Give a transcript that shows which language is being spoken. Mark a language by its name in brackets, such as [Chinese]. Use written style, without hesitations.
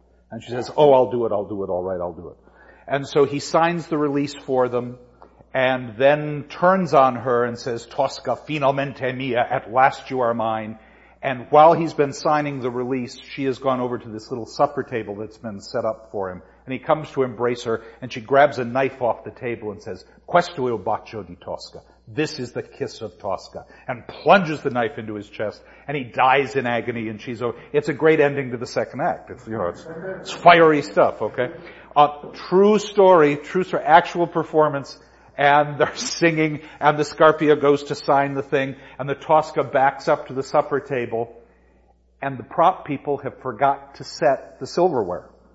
[English] And she says, "Oh, I'll do it, all right, I'll do it." And so he signs the release for them, and then turns on her and says, [Italian] "Tosca, finalmente mia, [English] at last you are mine." And while he's been signing the release, she has gone over to this little supper table that's been set up for him. And he comes to embrace her, and she grabs a knife off the table and says, [Italian] "Questo è il bacio di Tosca. [English] This is the kiss of Tosca." And plunges the knife into his chest, and he dies in agony, and she's over. It's a great ending to the second act. It's fiery stuff, okay? True story, actual performance. And they're singing, and the Scarpia goes to sign the thing, and the Tosca backs up to the supper table, and the prop people have forgot to set the silverware.